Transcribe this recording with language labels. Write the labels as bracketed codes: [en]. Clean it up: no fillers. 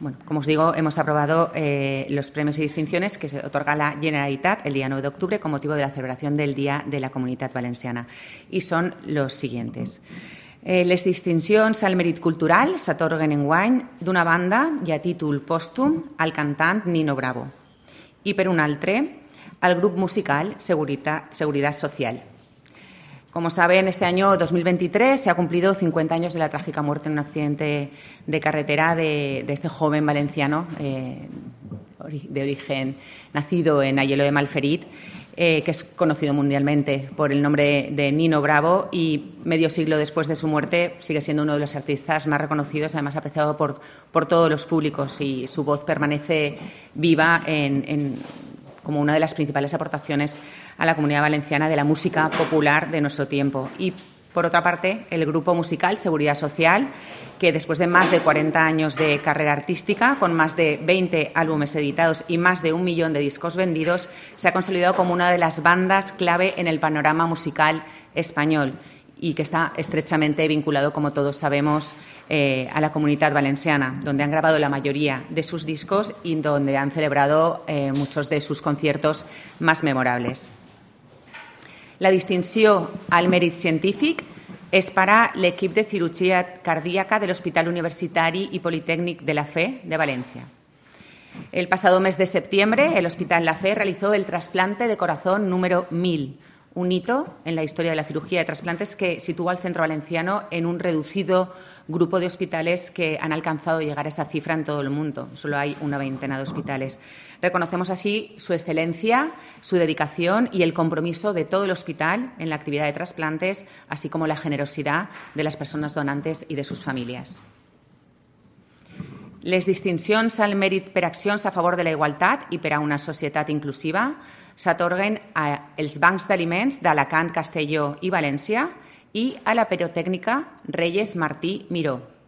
[es] Bueno, como os digo, hemos aprobado los premios y distinciones que se otorga la Generalitat el día 9 de octubre con motivo de la celebración del Día de la Comunitat Valenciana. Y son los siguientes. [ca] Les distincions al mèrit cultural s'atorguen enguany d'una banda i a títol pòstum al cantant Nino Bravo i per un altre al grup musical Seguridad Social. [es] Como saben, este año 2023 se ha cumplido 50 años de la trágica muerte en un accidente de carretera de este joven valenciano de origen nacido en Aielo de Malferit, que es conocido mundialmente por el nombre de Nino Bravo y medio siglo después de su muerte sigue siendo uno de los artistas más reconocidos, además apreciado por todos los públicos y su voz permanece viva en como una de las principales aportaciones a la comunidad valenciana de la música popular de nuestro tiempo. Y, por otra parte, el grupo musical Seguridad Social, que después de más de 40 años de carrera artística, con más de 20 álbumes editados y más de 1 millón de discos vendidos, se ha consolidado como una de las bandas clave en el panorama musical español y que está estrechamente vinculado, como todos sabemos, a la comunidad valenciana, donde han grabado la mayoría de sus discos y donde han celebrado muchos de sus conciertos más memorables. [ca] La distinció al mèrit científic es para l'equip de cirurgia cardíaca de l'Hospital Universitari i Politécnic de la Fe de València. [es] El pasado mes de septiembre, el Hospital La Fe realizó el trasplante de corazón número 1000, un hito en la historia de la cirugía de trasplantes que sitúa al centro valenciano en un reducido grupo de hospitales que han alcanzado llegar a esa cifra en todo el mundo. Solo hay una veintena de hospitales. Reconocemos así su excelencia, su dedicación y el compromiso de todo el hospital en la actividad de trasplantes, así como la generosidad de las personas donantes y de sus familias. [ca] Les distincions al mèrit per accions a favor de la igualtat i per a una societat inclusiva s'atorguen als bancs d'aliments d'Alacant, Castelló i València i a la pirotècnica Reyes Martí Miró.